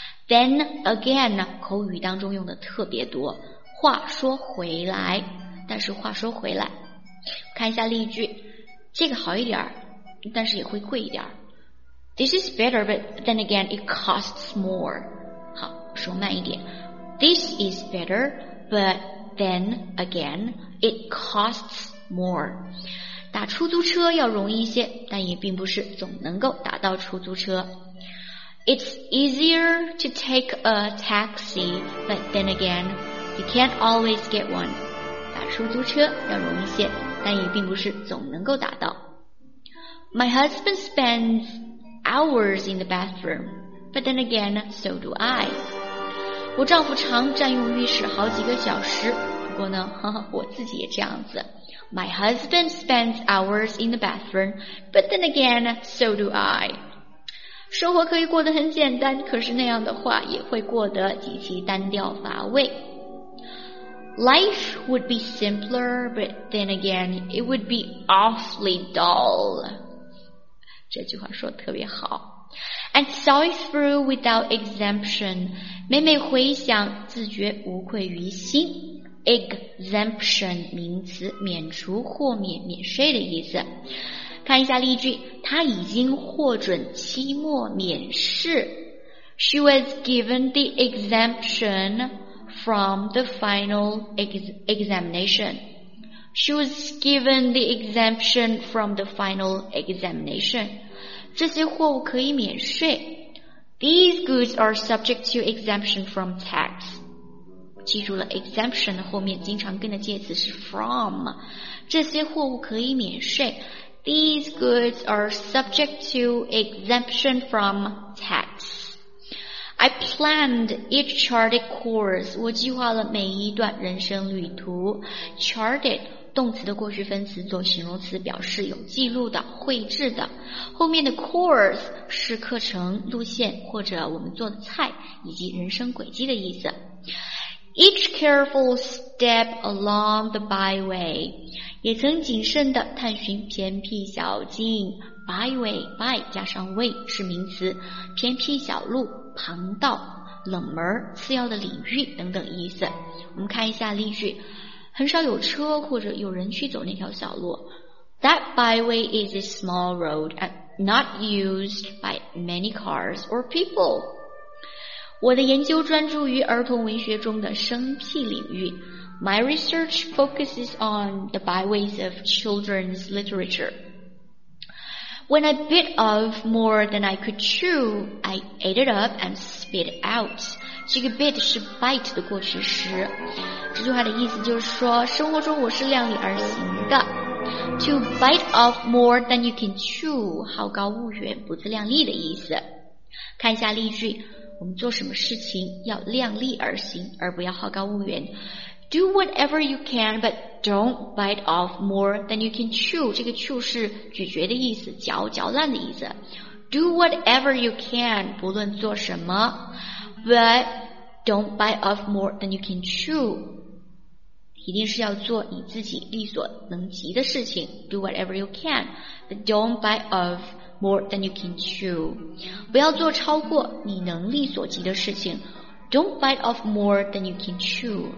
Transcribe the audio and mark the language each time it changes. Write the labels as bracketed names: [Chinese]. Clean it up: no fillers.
[Chinese] Then again, 口语当中用的特别多，话说回来，但是话说回来，看一下例句，这个好一点，但是也会贵一点。 [English] This is better, but then again, it costs more. [Chinese] 好，说慢一点。 [English] This is better, but then again, it costs more. [Chinese] 打出租车要容易一些，但也并不是总能够打到出租车。 [English] It's easier to take a taxi, but then again,You can't always get one. [Chinese] 打出租车要容易些，但也并不是总能够打到。 [English] My husband spends hours in the bathroom, but then again, so do I. [Chinese] 我丈夫常占用浴室好几个小时，不过呢，我自己也这样子。 [English] My husband spends hours in the bathroom, but then again, so do I. [Chinese] 生活可以过得很简单，可是那样的话也会过得极其单调乏味。 [English] Life would be simpler, but then again, it would be awfully dull. [Chinese] 这句话说得特别好。 [English] And saw it through without exemption. [Chinese] 每每回想，自觉无愧于心。Exemption, 名词，免除、豁免、免税的意思。看一下例句，他已经获准期末免试。 [English] She was given the exemption. From the final examination. She was given the exemption from the final examination. [Chinese] 这些货物可以免税。 [English] These goods are subject to exemption from tax. [Chinese] 记住了 exemption 后面经常跟的介词是 from. 这些货物可以免税。 [English] These goods are subject to exemption from tax. I planned each charted course. [Chinese] 我计划了每一段人生旅途。Charted, 动词的过去分词，做形容词，表示有记录的、绘制的。后面的 course 是课程、路线，或者我们做的菜，以及人生轨迹的意思。 [English] Each careful step along the byway. [Chinese] 也曾谨慎地探寻偏僻小径， byway, by 加上 way 是名词，偏僻小路、旁道、冷门、次要的领域等等意思。我们看一下例句，很少有车或者有人去走那条小路。 [English] That byway is a small road and not used by many cars or people. [Chinese] 我的研究专注于儿童文学中的生僻领域。 [English] My research focuses on the byways of children's literature. When I bit off more than I could chew, I ate it up and spit out. [Chinese] 这个 bit 是 bite 的过去时。这句话的意思就是说，生活中我是量力而行的。 [English] To bite off more than you can chew, [Chinese] 好高骛远，不自量力的意思。看一下例句，我们做什么事情要量力而行，而不要好高骛远。 [English] Do whatever you can, but don't bite off more than you can chew. [Chinese] 这个 chew 是咀嚼的意思，嚼嚼烂的意思。 [English] Do whatever you can, [Chinese] 不论做什么。 [English] But don't bite off more than you can chew. [Chinese] 一定是要做你自己力所能及的事情。 [English] Do whatever you can, but don't bite off more than you can chew. [Chinese] 不要做超过你能力所及的事情。 [English] Don't bite off more than you can chew.